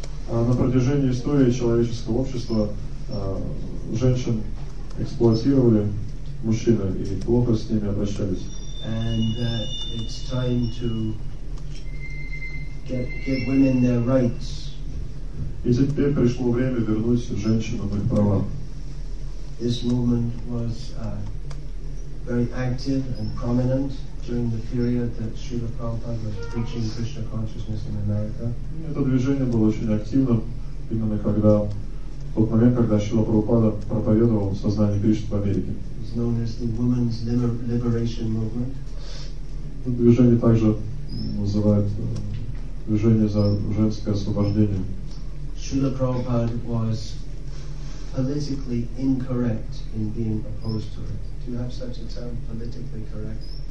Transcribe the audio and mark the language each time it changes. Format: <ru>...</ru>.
<ru>На протяжении истории человеческого общества женщин эксплуатировали мужчины и плохо с ними обращались.</ru> <en>And that it's time to give women their rights.</en> <ru>И теперь пришло время вернуть женщинам их права.</ru> <en>This movement was very active and prominent during the period that Srila Prabhupada was preaching Krishna consciousness in America.</en> <ru>Это движение было очень активным именно когда в тот момент, когда Шрила Прабхупада проповедовал сознание Кришны в Америке.</ru> <en>It's known as the women's liberation movement.</en> <ru>Это движение также называют движение за женское освобождение.</ru> <en>Srila Prabhupada was politically incorrect in being opposed to it. Do you have such a term, politically correct?</en>